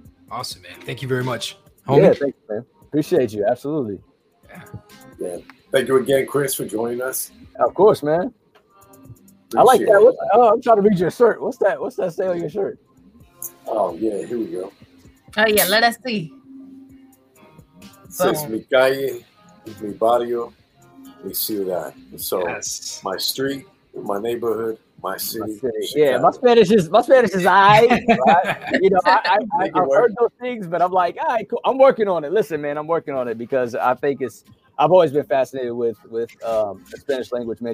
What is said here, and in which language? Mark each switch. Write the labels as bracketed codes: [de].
[en] Awesome, man. Thank you very much. Homie. Yeah, thank you, man. Appreciate you. Absolutely. Yeah. Thank you again, Chris, for joining us. Of course, man. Appreciate I like that. Oh, I'm trying to read your shirt. What's that? What's that say on your shirt? Oh, yeah. Here we go. Oh, yeah. Let us see. Says [es] mi calle, mi barrio, mi ciudad. [en] So yes. My street, my neighborhood. My city. Yeah, my Spanish is right? You know, I've heard those things, but I'm like, all right, cool. I'm working on it. Listen, man, I'm working on it because I think it's I've always been fascinated with the Spanish language, man.